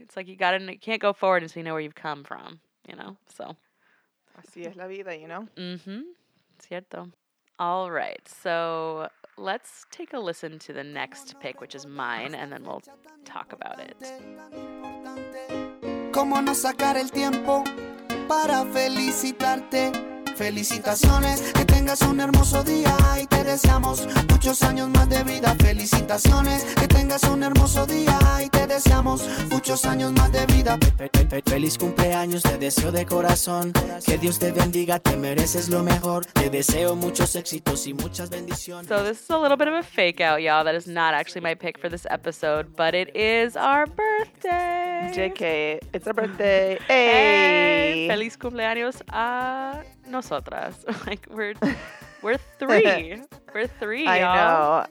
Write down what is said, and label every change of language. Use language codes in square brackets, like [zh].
[en] It's like you can't go forward until you know where you've come from, you know? So. [es] Así es la vida, [en] you know? Mm-hmm. [es] Cierto. [en] All right. So let's take a listen to the next pick, which is mine, and then we'll talk about it. [es] Cómo no sacar el tiempo para felicitarte. Felicitaciones, que tengas un hermoso día y te deseamos muchos años más de vida. Felicitaciones, que tengas un hermoso día y te deseamos muchos años más de vida. Feliz cumpleaños, te deseo de corazón. Que Dios te bendiga, te mereces lo mejor. Te deseo muchos éxitos y muchas bendiciones. [en] So this is a little bit of a fake out, y'all. That is not actually my pick for this episode, but it is our birthday. JK, it's our birthday. Hey! [es] Hey, feliz cumpleaños a nosotras. [en] Like we're three. We're three, y'all.